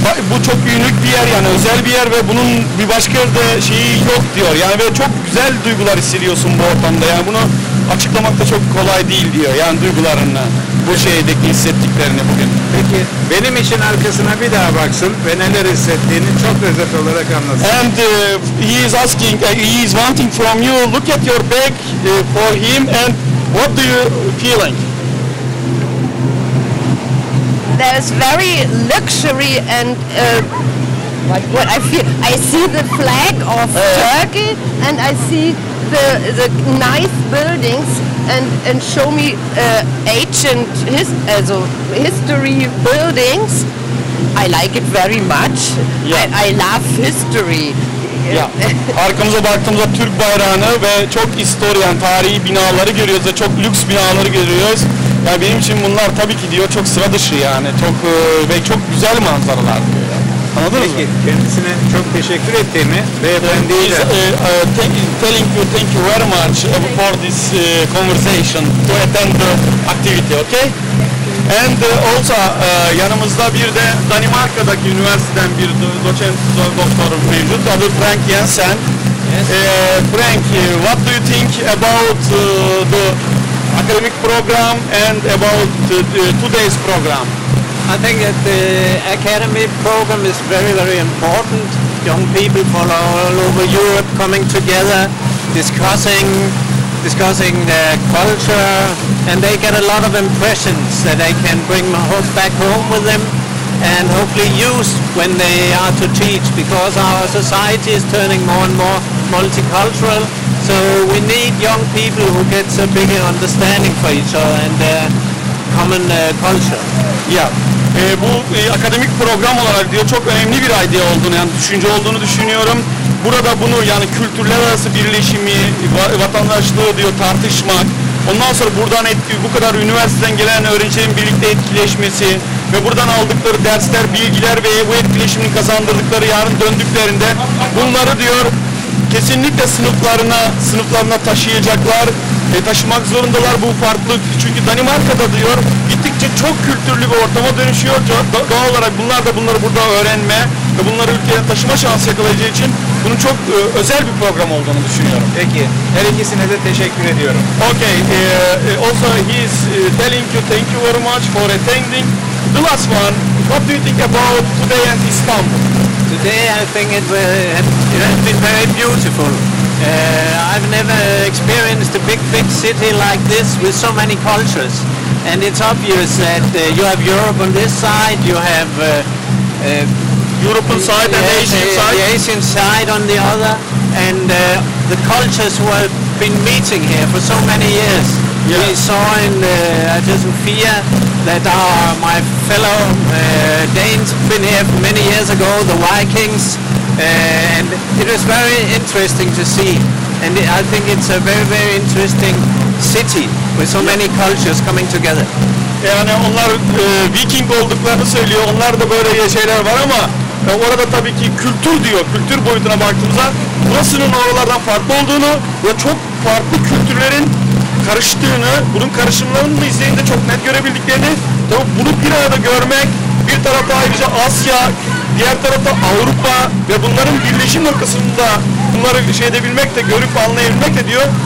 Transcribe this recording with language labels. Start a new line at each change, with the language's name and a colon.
Turkish: Bu çok unik bir yer yani, özel bir yer ve bunun bir başka yerde şeyi yok diyor. Yani ve çok güzel duygular hissediyorsun bu ortamda. Yani bunu açıklamak da çok kolay değil diyor. Yani duygularını, bu şeydeki hissettiklerini bugün. Peki benim için arkasına bir daha baksın ve neler hissettiğini çok özet olarak anlasın.
English: And he is asking, he is wanting from you, look at your back for him and what do you feeling? There's very luxury and what I feel. I see the flag of Turkey and I see the nice buildings and show me ancient history buildings. I like it very much. Yeah. I love history. Yeah.
Turkish: Arkamıza baktığımızda Türk bayrağını ve çok historian tarihi binaları görüyoruz ve çok lüks binaları görüyoruz. Ya yani benim için bunlar tabii ki diyor çok sıra dışı yani çok ve çok güzel manzaralar diyor. Anladınız peki, mı? Peki kendisine çok teşekkür ettiğimi beyefendiyle.
English: Thank you very much for this conversation to attend the activity, okay? And also
Turkish: yanımızda bir de Danimarka'daki üniversiteden bir doçent doktorum mevcut. Adı Frank Jensen.
English: Yes. Frank, what do you think about the academic program and about today's program? I think that the academy program is very, very important. Young people from all over Europe coming together, discussing their culture, and they get a lot of impressions that they can bring back home with them and hopefully use when they are to teach, because our society is turning more and more multicultural. So we need young people who get a bigger understanding for each other and their common culture. Yeah.
Turkish: bu akademik program olarak diyor çok önemli bir idea olduğunu, yani düşünce olduğunu düşünüyorum. Burada bunu yani kültürler arası birleşimi, vatandaşlığı diyor tartışmak, ondan sonra buradan bu kadar üniversiteden gelen öğrencilerin birlikte etkileşmesi ve buradan aldıkları dersler, bilgiler ve bu etkileşimini kazandırdıkları yarın döndüklerinde bunları diyor kesinlikle sınıflarına taşıyacaklar. Taşımak zorundalar bu farklılık. Çünkü Danimarka'da diyor gittikçe çok kültürlü bir ortama dönüşüyor. Doğal olarak bunlar da bunları burada öğrenme ve bunları ülkeye taşıma şansı yakalayacağı için bunun çok özel bir program olduğunu düşünüyorum. Peki. Her ikisine de teşekkür ediyorum.
English: Okay. Also he is telling you thank you very much for attending. The last one, what do you think about today and Istanbul? Today I think it has been very beautiful. I've never experienced a big city like this with so many cultures, and it's obvious that you have Europe on this side, you have European side and Asian side. The Asian side on the other, and the cultures who have been meeting here for so many years. Yeah. We saw in Sofia that my fellow Danes have been here many years ago, the Vikings. And it was very interesting to see, and I think it's a very very interesting city with so many cultures coming together.
Turkish: Yani onlar Viking olduklarını söylüyor, onlar da böyle şeyler var ama orada tabii ki kültür diyor, kültür boyutuna baktığımızda burasının oralardan farklı olduğunu ve çok farklı kültürlerin karıştığını, bunun karışımlarını da izleyince çok net görebildiklerini, tabii bunu bir arada görmek, bir tarafta ayrıca Asya, diğer tarafta Avrupa ve bunların birleşim noktasında bunları şey edebilmek de, görüp anlayabilmek de diyor.